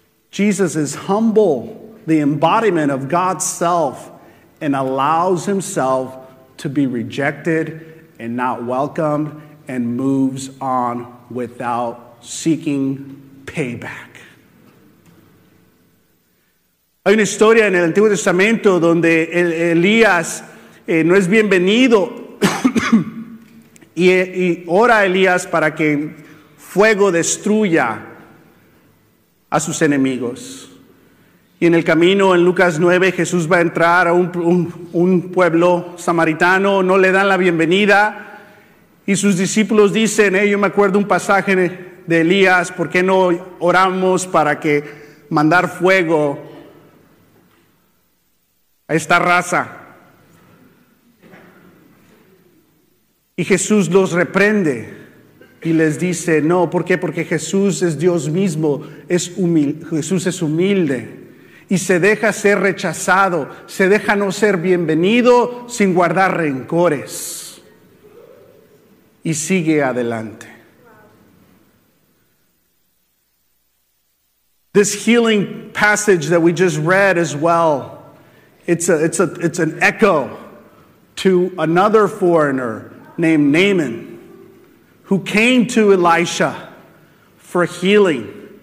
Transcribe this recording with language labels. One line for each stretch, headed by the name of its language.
English: Jesus is humble, the embodiment of God's self, and allows himself to be rejected and not welcomed, and moves on without seeking payback.
Spanish: Hay una historia en el Antiguo Testamento donde Elías no es bienvenido. Y ora a Elías para que fuego destruya a sus enemigos. Y en el camino, en Lucas 9, Jesús va a entrar a un pueblo samaritano. No le dan la bienvenida. Y sus discípulos dicen, yo me acuerdo un pasaje de Elías. ¿Por qué no oramos para que mandar fuego a esta raza? Y Jesús los reprende y les dice, no, ¿por qué? Porque Jesús es Dios mismo, Jesús es humilde y se deja ser rechazado, se deja no ser bienvenido sin guardar rencores y sigue adelante.
English: This healing passage that we just read as well, it's an echo to another foreigner named Naaman, who came to Elisha for healing.